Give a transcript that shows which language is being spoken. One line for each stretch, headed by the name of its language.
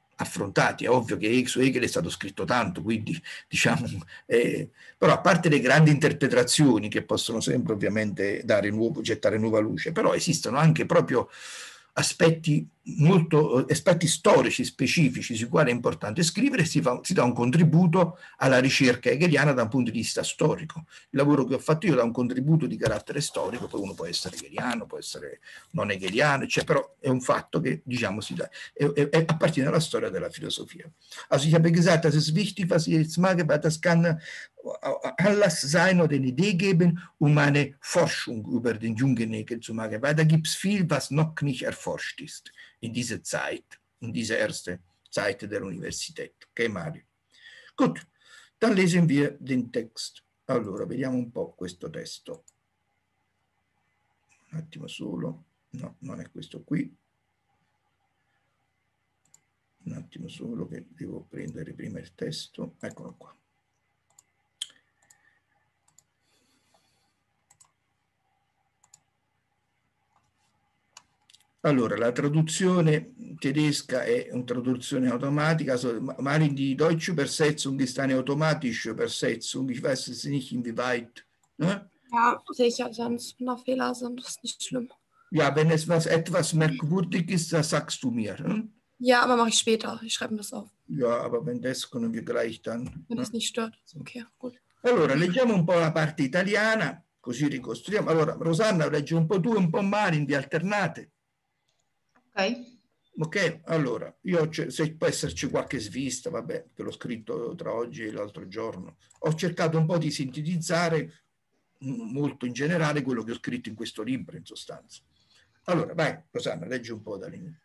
Italian: È ovvio che su Hegel è stato scritto tanto, quindi diciamo, però a parte le grandi interpretazioni che possono sempre ovviamente gettare nuova luce, però esistono anche proprio aspetti storici specifici sui quali è importante scrivere, si dà un contributo alla ricerca hegeliana da un punto di vista storico. Il lavoro che ho fatto io dà un contributo di carattere storico, poi uno può essere hegeliano, può essere non hegeliano, cioè, però è un fatto che diciamo si dà, appartiene alla storia della filosofia.
German: Also, ich habe gesagt, das ist wichtig, was ich jetzt mache, weil das kann Anlass sein oder eine Idee geben, eine Forschung über den jungen Hegel zu machen, weil da gibt es viel, was noch nicht erforscht ist. In dieser Zeit, in dieser ersten Zeit der Universität. Ok, Mario? Gut, dann lesen wir den Text.
Italian: Allora, vediamo un po' questo testo. Un attimo solo. No, non è questo qui. Un attimo solo, che devo prendere prima il testo. Eccolo qua. Allora, la traduzione tedesca è una traduzione automatica.
German: So, Malin, die deutsche Übersetzung ist eine automatische Übersetzung. Ich weiß es nicht, inwieweit. Ne? Ja, sicher, sonst noch Fehler sind, das ist nicht schlimm. Ja, wenn es was etwas merkwürdig ist, das sagst du mir. Ne? Ja, aber mache ich später. Ich schreibe mir das auf. Ja, aber wenn das können wir gleich dann. Wenn es Ne? nicht stört. Okay, gut.
Italian: Allora, leggiamo un po' la parte italiana, così ricostruiamo. Allora, Rosanna, leggi un po' tu e un po' Malin, vi alternate. Ok, allora, se può esserci qualche svista, vabbè, che l'ho scritto tra oggi e l'altro giorno, ho cercato un po' di sintetizzare molto in generale quello che ho scritto in questo libro, in sostanza. Allora, vai, Rosanna, leggi un po' da lì.